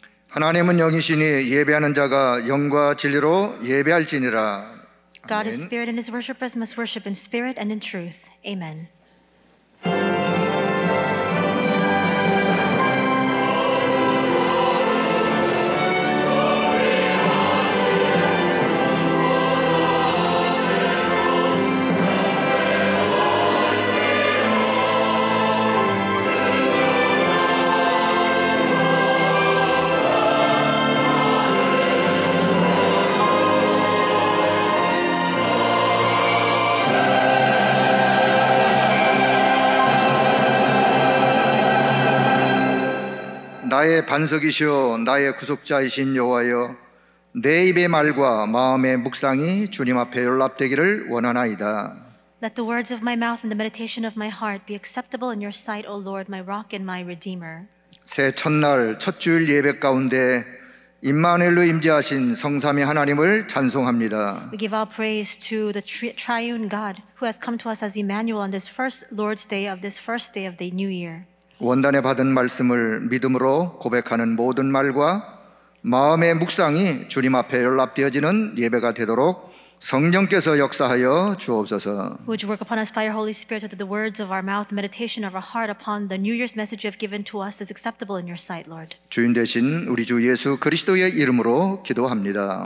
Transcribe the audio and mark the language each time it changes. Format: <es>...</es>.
<ko>하나님은 영이시니 예배하는 자가 영과 진리로 예배할지니라.</ko> <en>God is spirit and his worshippers must worship in spirit and in truth. Amen.</en> <ko>나의 반석이시오 나의 구속자이신 여호와여 내 입의 말과 마음의 묵상이 주님 앞에 열납되기를 원하나이다.</ko> <en>Let the words of my mouth and the meditation of my heart be acceptable in your sight, O Lord, my rock and my redeemer.</en> <ko>새 첫날 첫 주일 예배 가운데 임마누엘로 임재하신 성삼위 하나님을 찬송합니다.</ko> <en>We give our praise to the triune God who has come to us as Emmanuel on this first Lord's day of this first day of the new year.</en> <ko>원단에 받은 말씀을 믿음으로 고백하는 모든 말과 마음의 묵상이 주님 앞에 열납되어지는 예배가 되도록 성령께서 역사하여 주옵소서.</ko> <en>Would you work upon us by your Holy Spirit so that the words of our mouth, meditation of our heart upon the New Year's message you have given to us is acceptable in your sight, Lord.</en> <ko>주인 되신 우리 주 예수 그리스도의 이름으로 기도합니다.</ko>